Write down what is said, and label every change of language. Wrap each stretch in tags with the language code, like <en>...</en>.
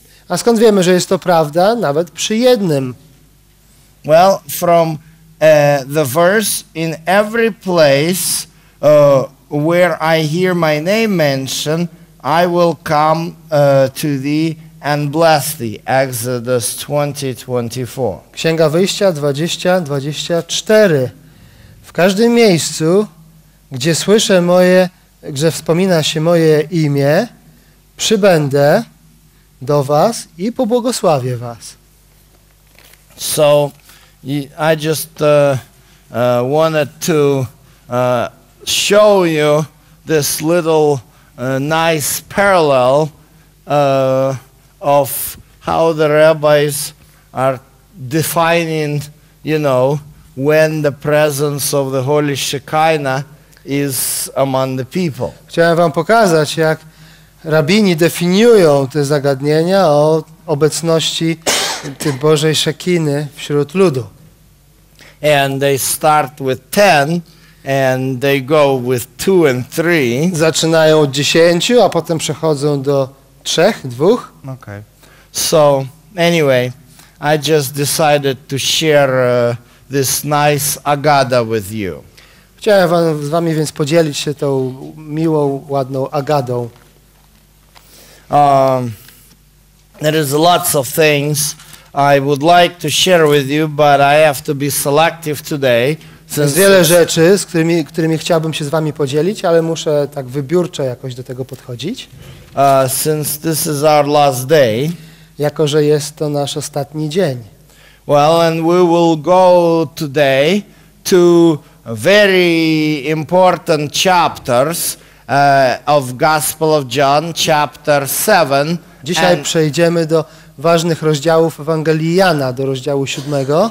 <pl>A skąd wiemy, że jest to prawda nawet przy jednym?</pl> <en>Well, from the verse in every place where I hear my name mentioned, I will come to thee and bless thee. Exodus 20:24.</en> <pl>Księga Wyjścia 20:24. W każdym miejscu, gdzie słyszę moje, gdzie wspomina się moje imię, przybędę do was i pobłogosławię was.</pl> <en>So I just wanted to show you this little nice parallel of how the rabbis are defining, you know, when the presence of the Holy Shekinah is among the people.</en> <pl>Chciałem wam pokazać, jak rabini definiują te zagadnienia o obecności tej Bożej Szekiny wśród ludu.</pl> <en>And they start with 10 and they go with 2 and 3.</en> <pl>Zaczynają od 10, a potem przechodzą do 3, 2.</pl> <en>Okay. So, anyway, I just decided to share this nice Agada with you.</en> <pl>Chciałem z wami więc podzielić się tą miłą, ładną Agadą.</pl> <en>There is lots of things I would like to share with you, but I have to be selective today.</en> <pl>Jest wiele rzeczy, z którymi chciałbym się z wami podzielić, ale muszę tak wybiórczo jakoś do tego podchodzić.</pl> <en>Since this is our last day.</en> <pl>Jako że jest to nasz ostatni dzień.</pl> <en>Well, and we will go today to very important chapters of Gospel of John, chapter 7.</en> <pl>Dzisiaj przejdziemy do ważnych rozdziałów Ewangelii Jana, do rozdziału 7.</pl>